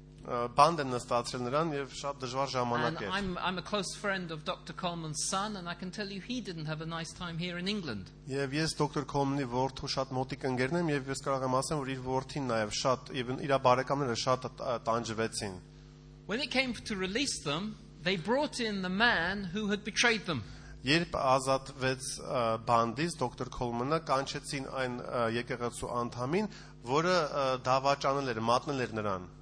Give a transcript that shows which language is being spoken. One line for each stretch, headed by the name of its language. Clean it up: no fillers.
Armenian: Բանդ են նստացրել նրան եւ շատ դժվար ժամանակ էր.
English: I'm a close friend of Dr. Coleman's son and I can tell you he didn't have a nice time here in England.
Armenian: Եվ ես Dr. Coleman-ի որդու շատ մոտիկ ընկերն եմ եւ ես կարող եմ ասեմ, որ իր որդին նաեւ շատ եւ իր բարեկամները շատ տանջվեցին.
English: When it came to release them, they brought in the man who had betrayed them.
Armenian: Երբ ազատվեց բանդից Dr. Coleman-ը, կանչեցին այն եկեղեցու անդամին, որը դավաճանել էր, մատնել էր նրան.